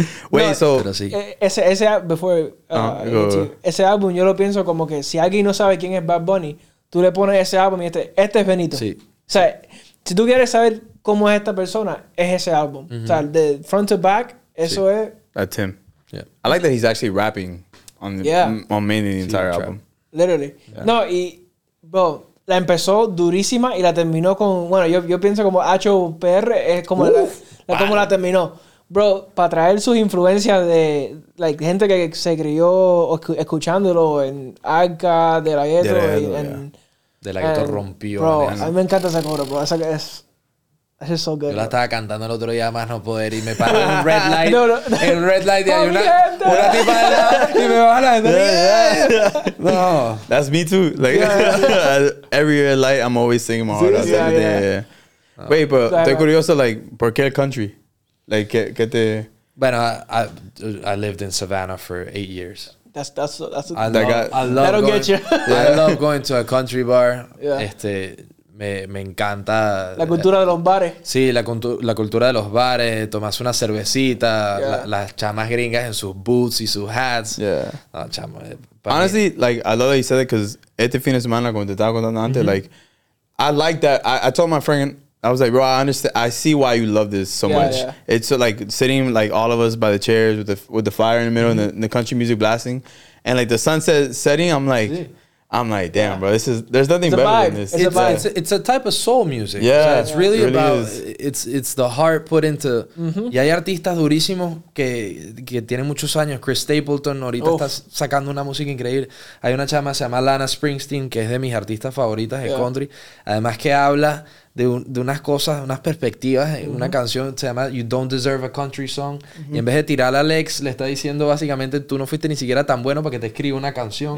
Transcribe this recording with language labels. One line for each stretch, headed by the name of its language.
English: Wait, no, so...
Spanish: Pero sí. Ese álbum yo lo pienso como que si alguien no sabe quién es Bad Bunny... Tú le pones ese álbum y este es Benito. Sí. O sea, si tú quieres saber cómo es esta persona, es ese álbum. Mm-hmm. O sea, de
English: front to back,
Spanish: eso es...
English: That's him. Yeah. I like that he's actually rapping on mainly the entire album. Literally. Yeah.
Spanish: No, y... Bro, la empezó durísima y la terminó con... Bueno, yo pienso como H.O.P.R. es como como la terminó. Bro, para traer sus influencias de like, gente que se crió escuchándolo en Arca, De La Ghetto. De La Ghetto rompió. Bro, a mí me encanta ese coro, bro. Esa que es... Eso es
English: so good.
Spanish: Yo la estaba cantando el otro día, más no poder, y me paró un
English: red light.
Spanish: En
English: red light,
Spanish: y hay una tipa de lado, y me va a la gente. No.
English: That's me too. Like, every red light, I'm always singing my heart out. Wait,
Spanish: pero estoy curioso,
English: like,
Spanish: ¿por qué el country? Like, ¿qué te...? Bueno,
English: I lived in Savannah for 8 years. That'll get you. I love going to a country bar. Yeah.
Spanish: Me encanta... La cultura de los bares. Sí, la cultura de los bares. Tomas una cervecita. Yeah. Las chamas gringas en sus boots y sus hats.
English: Yeah.
Spanish: No, chamo.
English: Honestly, like, I love that you said it because
Spanish: este fin de semana, como te estaba contando antes,
English: like, I like that. I told my friend, I was like, bro, I understand. I see why you love this so much. Yeah. It's so, like, sitting, like, all of us by the chairs with the fire in the middle and the country music blasting. And, like, the sunset setting, I'm like, damn, bro. There's nothing better than this. It's a type of soul music. Yeah, so it's really about the heart put into.
Spanish: Mm-hmm. Y hay artistas durísimos que tienen muchos años. Chris Stapleton ahorita está sacando una música increíble. Hay una chama, se llama Lana Springsteen, que es de mis artistas favoritas de country. Además que habla de unas cosas, unas perspectivas. Mm-hmm. Una canción se llama You Don't Deserve a Country Song. Mm-hmm. Y en vez de tirar a Alex, le está diciendo básicamente tú no fuiste ni siquiera tan bueno para que te escriba una canción.